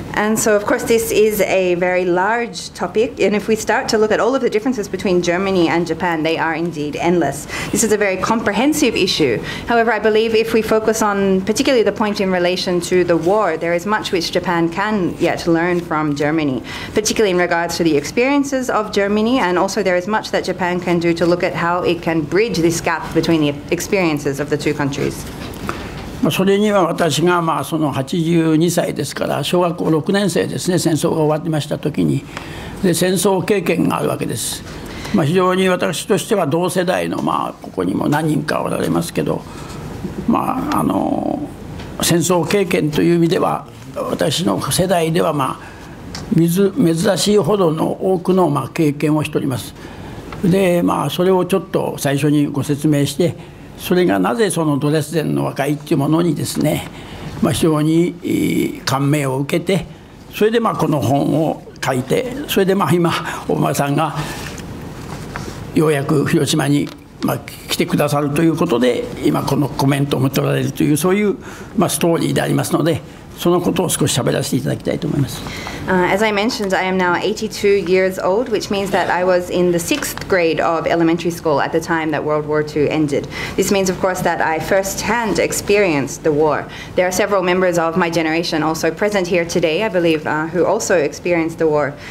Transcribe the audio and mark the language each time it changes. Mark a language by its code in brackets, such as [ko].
[en] And so, of course, this is a very large topic. And if we start to look at all of the differences between Germany and Japan, they are indeed endless. This is a very comprehensive issue. However, I believe if we focus on particularly the point in relation to the war, there is much which Japan can yet learn from Germany, particularly in regards to the experiences of Germany. And also there is much that Japan can do to look at how it can bridge this gap between the experiences of the two countries. [ja] それには私がその82歳ですから、小学校6年生ですね、戦争が終わりましたときに、で戦争経験があるわけです。非常に私としては同世代の、ここにも何人かおられますけど、戦争経験という意味では、私の世代では珍しいほどの多くの経験をしております。で、それをちょっと最初にご説明して、それがなぜそのドレスデンの和解というものにですね、非常に感銘を受けて、それでこの本を書いて、それで今大間さんがようやく広島に来てくださるということで、今このコメントを求められるという、そういうストーリーでありますので、そのことを少し喋らせていただきたいと思います。 [en] As I mentioned, I am now 82 years old, which means that I was in the sixth grade of elementary school at the time that World War II ended. This means, of course, that I firsthand experienced the war. There are several members of my generation also present here today, I believe, who also experienced the war.